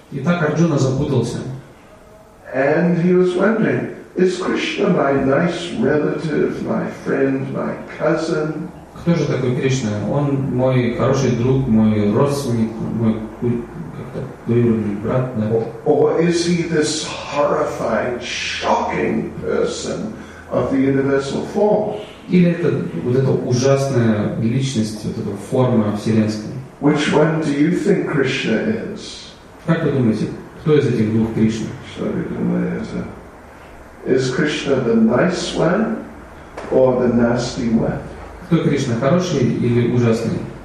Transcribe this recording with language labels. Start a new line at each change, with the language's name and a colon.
Russian: И так Арджуна запутался.
English: And he was wondering, is Krishna my nice relative, my friend, my cousin?
Russian: Кто же такой Кришна? Он мой хороший друг, мой родственник, мой двоюродный брат, да?
English: Or is he this horrifying, shocking person of the universal form?
Russian: Или это вот эта ужасная личность, вот эта форма вселенская?
English: Which one do you think Krishna is?
Russian: Как вы думаете, кто из этих двух Кришна? Sarikamayata.
English: Is Krishna the nice one or the nasty one?
Russian: Кто Кришна, хороший или ужасный?